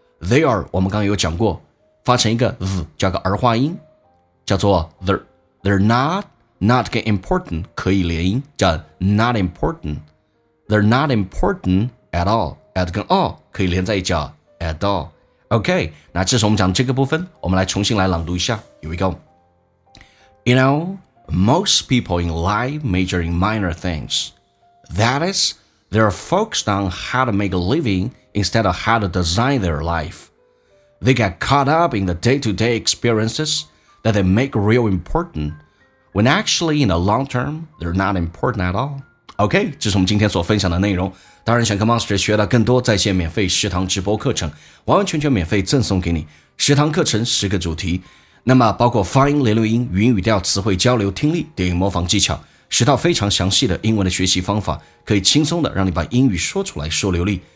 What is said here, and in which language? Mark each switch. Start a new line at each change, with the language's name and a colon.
English: They are
Chinese: 我们刚刚有讲过，发成一个 z 叫个儿化音，叫做
English: they're not not
Chinese: 跟 important 可以连音，叫
English: not important. They're not important at all. At 跟 all
Chinese: 可以连在一起，
English: 叫 at all.
Chinese: OK， 那这是我们讲的这个部分，我们来重新来朗读一下。
English: Here we go. You know, most people in life major in minor things. That is, they're focused on how to make a living instead of how to design their life. They get caught up in the day-to-day experiences that they make real important, when actually in the long term, they're not important at all.
Chinese: OK, 这是我们今天所分享的内容。当然想跟 Monster 学到更多在线免费食堂直播课程，完完全全免费赠送给你。食堂课程十个主题，那么包括发音、连读音、元语调、词汇交流、听力、电影模仿技巧，十套非常详细的英文的学习方法，可以轻松的让你把英语说出来说流利。